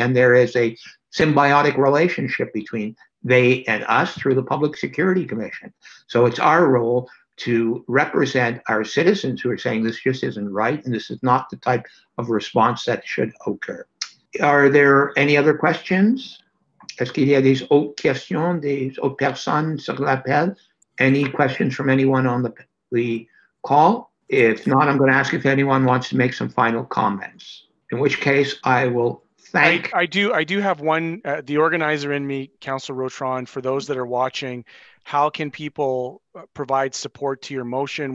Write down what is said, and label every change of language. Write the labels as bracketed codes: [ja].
[en] And there is a symbiotic relationship between they and us through the Public Security Commission. So it's our role to represent our citizens who are saying this just isn't right. And this is not the type of response that should occur. Are there any other questions? [fr] Est-ce qu'il y a des autres questions, des autres personnes sur l'appel? [en] Any questions from anyone on the call? If not, I'm going to ask if anyone wants to make some final comments, in which case I will thank. I do have one, the organizer in me, Councillor Rotrand, for those that are watching, how can people provide support to your motion?